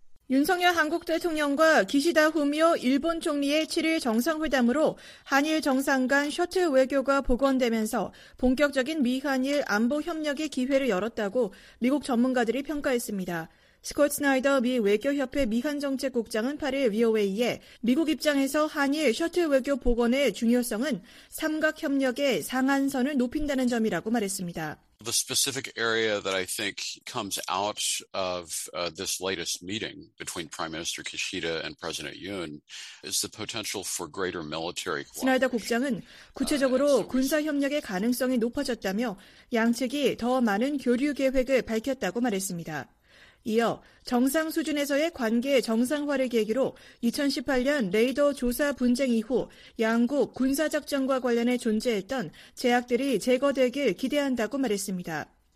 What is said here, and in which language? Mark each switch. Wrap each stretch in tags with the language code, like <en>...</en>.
<ko>윤석열 한국 대통령과 기시다 후미오 일본 총리의 7일 정상회담으로 한일 정상 간 셔틀 외교가 복원되면서 본격적인 미한일 안보 협력의 기회를 열었다고 미국 전문가들이 평가했습니다. 스콧 스나이더 미 외교협회 미한정책국장은 8일 VOA에 미국 입장에서 한일 셔틀 외교 복원의 중요성은 삼각협력의 상한선을 높인다는 점이라고 말했습니다.</ko> <en>The specific area that I think comes out of this latest meeting between Prime Minister Kishida and President Yoon is the potential for greater military cooperation.</en> <ko>스나이더 국장은 구체적으로 군사협력의 가능성이 높아졌다며 양측이 더 많은 교류 계획을 밝혔다고 말했습니다. 이어 정상 수준에서의 관계 정상화를 계기로 2018년 레이더 조사 분쟁 이후 양국 군사작전과 관련해 존재했던 제약들이 제거되길 기대한다고 말했습니다.</ko>